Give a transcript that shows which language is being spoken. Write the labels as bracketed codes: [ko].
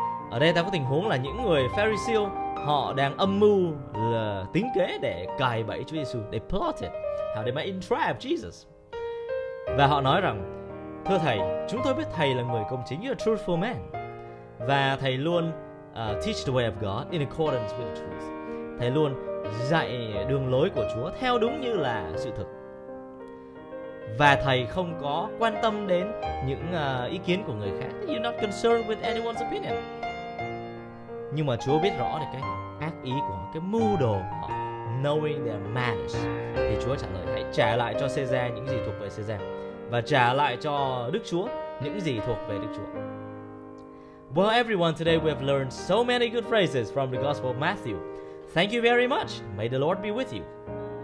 [vi] Ở đây ta có tình huống là những người Pharisee, họ đang âm mưu là tính kế để cài bẫy Chúa Giêsu. [en] They plotted how they might entrap Jesus. [vi] Và họ nói rằng, "Thưa Thầy, chúng tôi biết Thầy là người công chính, [en] you're a truthful man. [vi] Và Thầy luôn [en] teach the way of God in accordance with the truth." [vi] Thầy luôn dạy đường lối của Chúa theo đúng như là sự thật. Và Thầy không có quan tâm đến những ý kiến của người khác. [en] You're not concerned with anyone's opinion. [vi] Nhưng mà Chúa biết rõ được cái ác ý của họ, cái mưu đồ của họ. [en] Knowing their malice. [vi] Thì Chúa trả lời, hãy trả lại cho Caesar những gì thuộc về Caesar. Và trả lại cho Đức Chúa những gì thuộc về Đức Chúa. [en] Well everyone, today we have learned so many good phrases from the Gospel of Matthew. Thank you very much. May the Lord be with you.